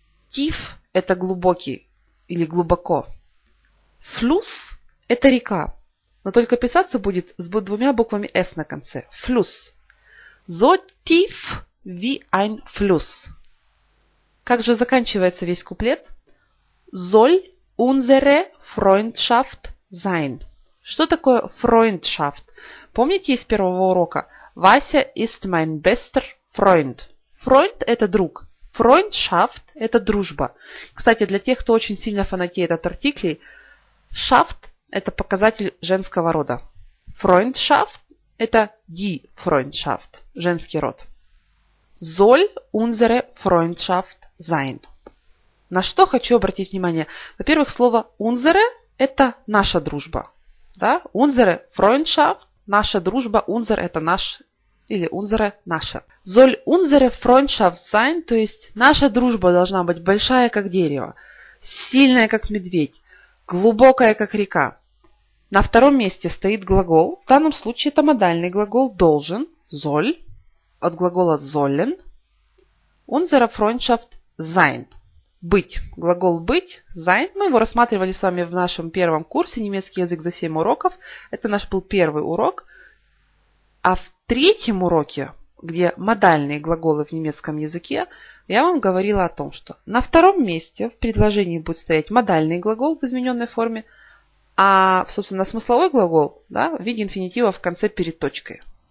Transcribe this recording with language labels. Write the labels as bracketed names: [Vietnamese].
[Russian] Tief – это глубокий или глубоко. Fluss – это река. Но только писаться будет с двумя буквами S на конце. [German] Fluss. So tief wie ein Fluss. [Russian] Как же заканчивается весь куплет? [German] Soll unsere Freundschaft sein. [Russian] Что такое Freundschaft? Помните из первого урока? [German] Вася ist mein bester Freund. [Russian] Freund – это друг. Freundschaft – это дружба. Кстати, для тех, кто очень сильно фанатеет от артиклей, Schaft – это показатель женского рода. Freundschaft – это die Freundschaft, женский род. [German] Soll unsere Freundschaft sein. [Russian] На что хочу обратить внимание? Во-первых, слово unsere – это наша дружба. Да? [German] Unsere Freundschaft [Russian] – наша дружба. Unsere – это наш или unsere – наша. [German] Soll unsere Freundschaft sein, [Russian] то есть наша дружба должна быть большая, как дерево, сильная, как медведь, глубокая, как река. На втором месте стоит глагол. В данном случае это модальный глагол «должен», «золь», от глагола «золлен». [German] Unsere Freundschaft sein. [Russian] Быть. Глагол «быть» – «sein». Мы его рассматривали с вами в нашем первом курсе «Немецкий язык за 7 уроков». Это наш был первый урок. А в третьем уроке, где модальные глаголы в немецком языке, я вам говорила о том, что на втором месте в предложении будет стоять модальный глагол в измененной форме, а, собственно, смысловой глагол, да, в виде инфинитива в конце перед точкой.